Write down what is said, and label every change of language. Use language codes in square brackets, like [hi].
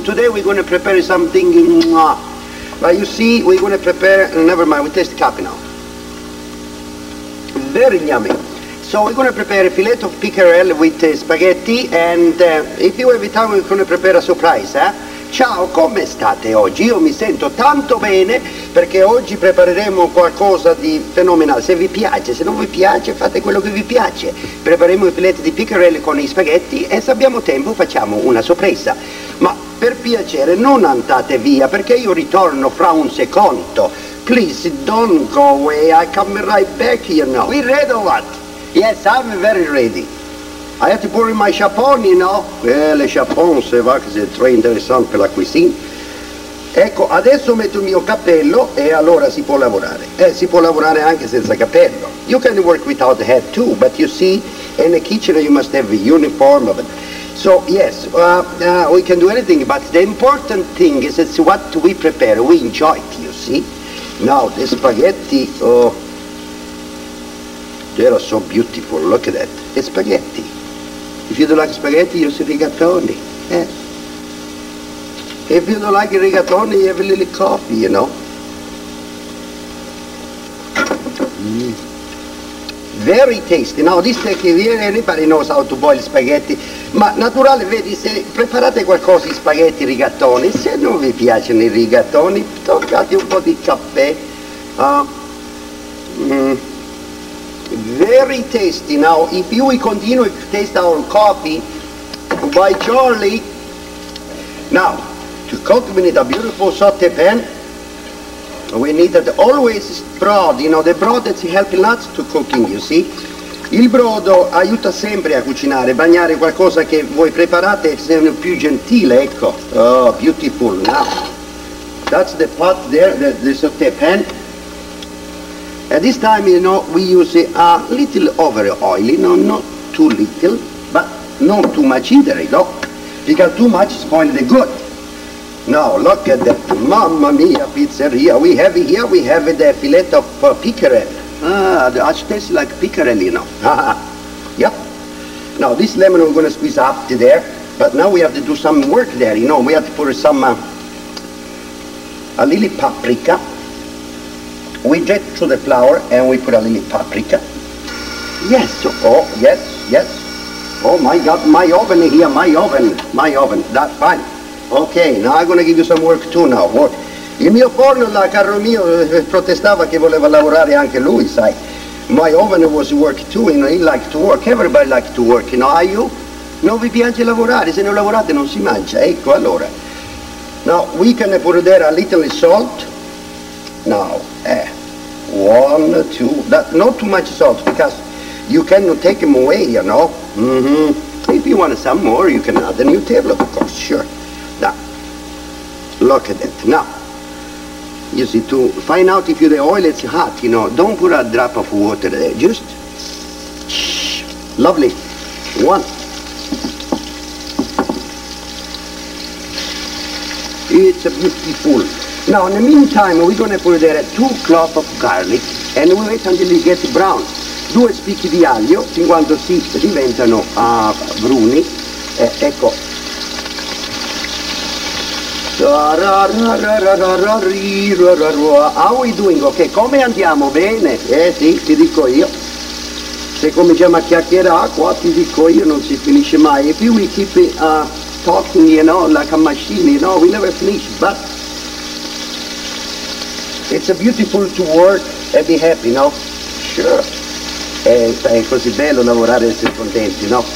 [en] Today we're going to prepare something. But you see, we're going to prepare, never mind, we taste the coffee now. Very yummy. So we're going to prepare a filet of pickerel with spaghetti, and if you have time, we're going to prepare a surprise, eh? [it] Ciao, come state oggi? Io mi sento tanto bene perché oggi prepareremo qualcosa di fenomenale. Se vi piace, se non vi piace, fate quello che vi piace. Prepareremo i filet di pickerel con gli spaghetti e se abbiamo tempo facciamo una sorpresa. Ma per piacere non andate via perché io ritorno fra un secondo. [en] Please don't go away, I come right back, you know. We ready or what? Yes, I'm very ready. I have to put in my chapon, you know? [fr] Le chapon, se va, che sei tre interessante per la cuisine. [it] Ecco, adesso metto il mio cappello e allora si può lavorare. Si può lavorare anche senza cappello. [en] You can work without a hat too, but you see, in the kitchen you must have a uniform. So, yes, we can do anything, but the important thing is it's what we prepare. We enjoy it, you see? Now, the spaghetti, oh, they are so beautiful, look at that. The spaghetti. If you don't like spaghetti, you use rigatoni, eh? If you don't like rigatoni, you have a little coffee, you know? Very tasty. Now, this technique, anybody knows how to boil spaghetti. [it] Ma naturale, vedi, se preparate qualcosa di spaghetti rigatoni, se non vi piacciono i rigatoni, toccate un po' di caffè. [en] Very tasty. Now, if you will continue to taste our coffee by Charlie. Now, to cook, we need a beautiful saute pan. We need that always broad, you know, the broad that's helping lots to cooking, you see. [it] Il brodo aiuta sempre a cucinare, bagnare qualcosa che voi preparate è più gentile, ecco. [en] Oh, beautiful. Now, that's the pot there, the saute pan. At this time, you know, we use a little over oil, you know, not too little, but not too much either, you know, because too much spoils the good. Now, look at that, mamma mia, pizzeria, we have here, we have the filet of pickerel. Ah, it tastes like pickerel, you know. Yep. Now, this lemon we're going to squeeze up to there, but now we have to do some work there, you know, we have to put some, a little paprika. We get to the flour and we put a little paprika. Yes, oh, yes, yes. Oh my God, my oven here, my oven, that's fine. Okay, now I'm gonna give you some work too now, work. [it] Il mio forno, la carro mio, protestava che voleva lavorare anche lui, sai. [en] My oven was work too, you know, he liked to work, everybody liked to work, you know, are you? [it] Non vi piace lavorare, se non lavorate non si mangia, ecco allora. [en] Now, we can put there a little salt. Now, one, two, that, not too much salt, because you cannot take them away, you know. If you want some more, you can add a new table, of course, sure. Now, look at that. Now, you see, to find out if the oil is hot, you know, don't put a drop of water there, just, lovely, one. It's beautiful. Now, in the meantime, we're going to put there 2 cloves of garlic and we wait until it gets brown. [it] 2 spicchi di aglio, fin quando si diventano bruni. Ecco. [en] How we doing? [it] Ok, come andiamo? Bene? Sì, ti dico io. Se cominciamo a chiacchierare qua, ti dico io, non si finisce mai. [en] If we keep talking, you know, like a machine, you know, we never finish, but it's a beautiful to work and be happy, no? Sure. [it] È così bello lavorare e essere contenti, no?